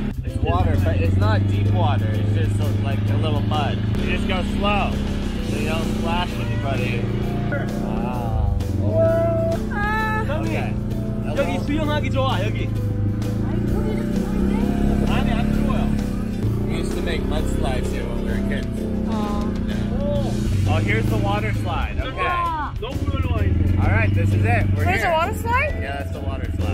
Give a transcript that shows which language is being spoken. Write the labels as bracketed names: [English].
[English] It's water, but it's not deep water. It's just a, like a little mud. You just go slow, so you don't splash anybody. Wow. Oh. Okay. Hello. [Korean] 여기 수영하기 좋아 여기. [English] I'm really fine. [Korean] 아니 안 추워요. [English] We used to make mudslides here when we were kids. Oh. Oh, here's the water slide. Okay. [Korean] 너무 놀라워. [English] Alright, this is it. We're There's here. There's a water slide? Yeah, that's the water slide.